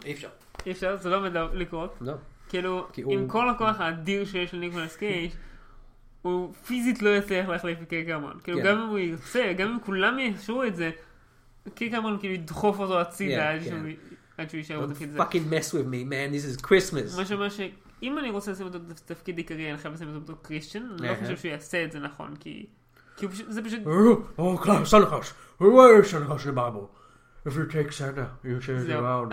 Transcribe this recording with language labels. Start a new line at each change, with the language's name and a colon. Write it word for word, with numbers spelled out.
Hebrew: אי אפשר. אי אפשר, זה לא עומד לקרות. לא. כאילו, עם כל הכוח האדיר שיש לניקולס קייג' הוא פיזית לא יצליח להחליף את קייר קמרון. כאילו, גם אם הוא ירצה, גם אם כולם יאשרו את זה, קייר קמרון כאילו ידחוף אותו הצידה עד שהוא יישאר בתפקיד זה.
English: Don't fucking mess with me, man, this is Christmas.
Hebrew: מה שאומר שאם אני רוצה לשים אותו תפקיד עיקרי, אני חייב לשים אותו בתור קריסטיאן, אני לא חושב שהוא יעשה את זה נכון, כי זה פשוט... או, קלאס, סלחש, הוא יש סלחש לבאבו.
English: If you take Santa, you change it around.